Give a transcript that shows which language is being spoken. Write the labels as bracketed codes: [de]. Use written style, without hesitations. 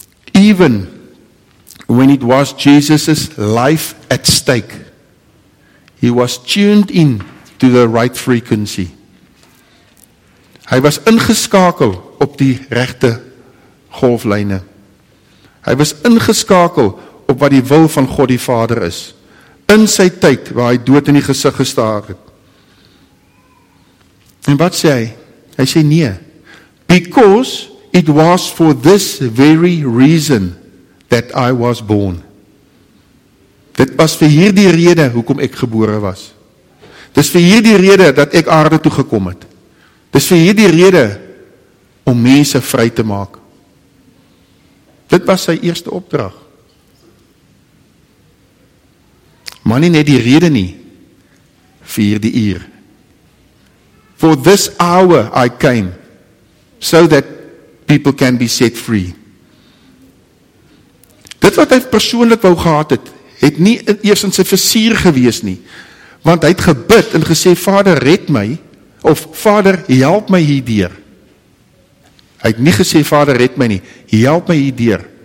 [en] Even when it was Jesus' life at stake, he was tuned in to the right frequency. [af] Hy was ingeskakel op die regte golflyne. Hy was ingeskakel op wat die wil van God die Vader is. In sy tyd waar hy dood in die gesig gestaar het. En wat sê hy? Hy sê nee. [en] Because it was for this very reason that I was born. [af] Dit was vir hierdie rede hoekom ek gebore was. Dis vir hierdie rede dat ek aarde toe gekom het. Dis vir hierdie rede om mense vry te maak. Dit was sy eerste opdrag. Maar nie net die rede nie, vir hierdie uur. [en] For this hour I came, so that people can be set free. [af] Dit wat hy persoonlik wou gehad het, het nie eers in sy versier gewees nie, want hy het gebid en gesê, Vader red my, of Vader help my hierdeur. Hy het nie gesê, Vader red my nie, help my hierdeur.